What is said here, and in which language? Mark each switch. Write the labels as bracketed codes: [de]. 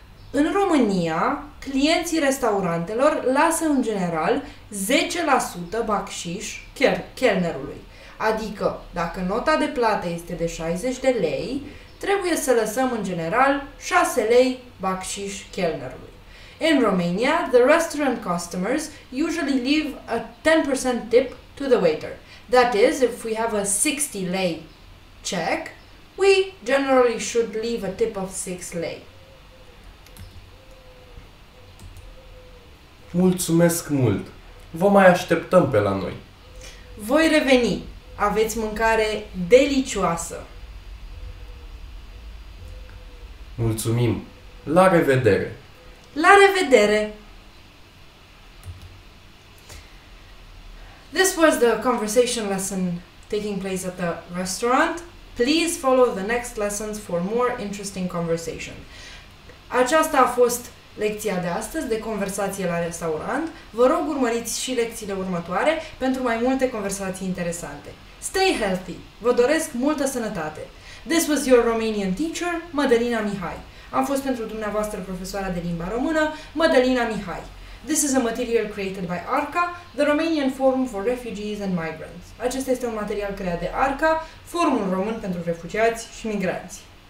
[ro] În România, clienții restaurantelor lasă în general 10% bacșiș chelnerului. Adică, dacă nota de plată este de 60 de lei, trebuie să lăsăm în general 6 lei bacșiș chelnerului. [en] In Romania, the restaurant customers usually leave a 10% tip to the waiter. That is, if we have a 60 lei check, we generally should leave a tip of 6 lei. [ro] Mulțumesc mult! Vă mai așteptăm pe la noi! Voi reveni! Aveți mâncare delicioasă! Mulțumim! La revedere! La revedere! [en] This was the conversation lesson taking place at the restaurant. Please follow the next lessons for more interesting conversation. [ro] Aceasta a fost lecția de astăzi de conversație la restaurant. Vă rog, urmăriți și lecțiile următoare pentru mai multe conversații interesante. [en] Stay healthy! [ro] Vă doresc multă sănătate! [en] This was your Romanian teacher, Mădălina Mihai. [ro] Am fost pentru dumneavoastră profesoara de limba română, Mădălina Mihai. [en] This is a material created by ARCA, the Romanian Forum for Refugees and Migrants. [ro] Acesta este un material creat de ARCA, Forumul Român pentru Refugiați și Migranți.